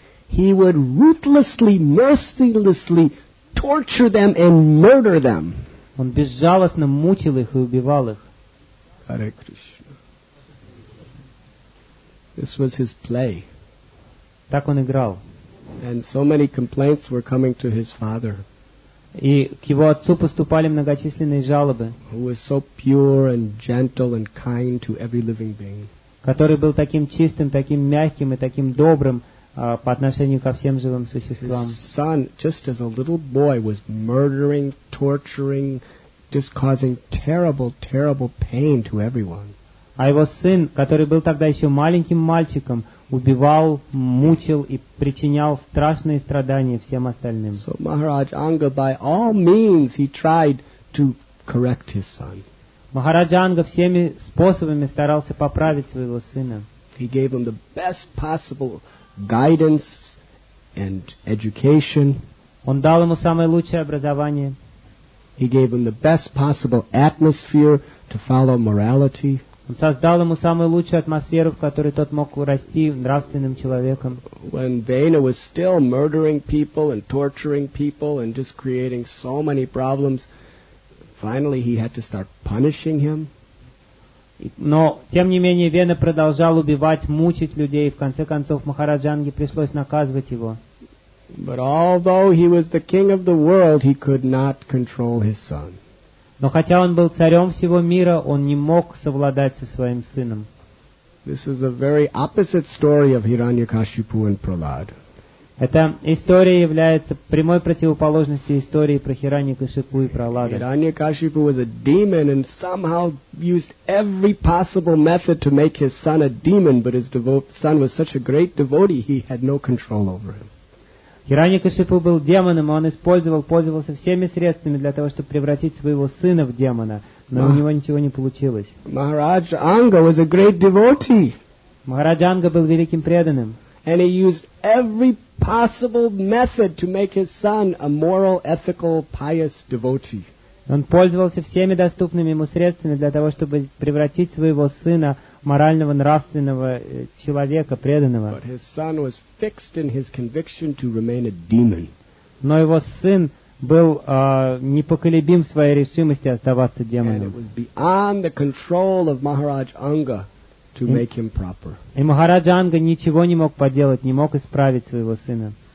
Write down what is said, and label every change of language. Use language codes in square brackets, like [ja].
[en] he would ruthlessly, mercilessly torture them and murder them. [ru] Он безжалостно мучил их и убивал их. [sa] Hare Krishna. [en] This was his play. [ru] Так он играл. [en] And so many complaints were coming to his father. [ru] И к его отцу поступали многочисленные жалобы. [en] Who was so pure and gentle and kind to every living being. [ru] Который был таким чистым, таким мягким и таким добрым по отношению ко всем живым существам. [en] His son, just as a little boy, was murdering, torturing, just causing terrible, terrible pain to everyone. [ru] А его сын, который был тогда еще маленьким мальчиком, убивал, мучил и причинял страшные страдания всем остальным. [en] So Maharaj Anga, by all means, he tried to correct his son. [ru] Махараджа Анга всеми способами старался поправить своего сына. [en] He gave him the best possible guidance and education. [ru] Он дал ему самое лучшее образование. [en] He gave him the best possible atmosphere to follow morality. [ru] Он создал ему самую лучшую атмосферу, в которой тот мог расти нравственным человеком. [en] When Vena was still murdering people and torturing people and just creating so many problems, finally he had to start punishing him. [ru] Но, тем не менее, Вена продолжал убивать, мучить людей, и в конце концов Махараджа Анге пришлось наказывать его. [en] But although he was the king of the world, he could not control his son. [ru] Но хотя он был царем всего мира, он не мог совладать со своим сыном. [en] This is a very opposite story of Hiranyakashipu and Prahlad. [ru] Эта история является прямой противоположностью истории про Хираньякашипу и Прахлада. [en] Хираньякашипу was a demon and somehow used every possible method to make his son a demon, but his son was such a great devotee, he had no control over him. [ru] Хираньякашипу был демоном, и он пользовался всеми средствами для того, чтобы превратить своего сына в демона, но у него ничего не получилось. [en] Махараджа Анга was a great devotee. [ru] Махараджа Анга был великим преданным. [en] And he used every possible method to make his son a moral, ethical, pious devotee. [ru] Он пользовался всеми доступными ему средствами для того, чтобы превратить своего сына в морального, нравственного человека, преданного. [en] But his son was fixed in his conviction to remain a demon. [ru] Но его сын был непоколебим в своей решимости оставаться демоном. [en] And it was beyond the control of Maharaj Anga to make him proper. [ru] И Махараджа Анга ничего не мог поделать, не мог исправить своего сына.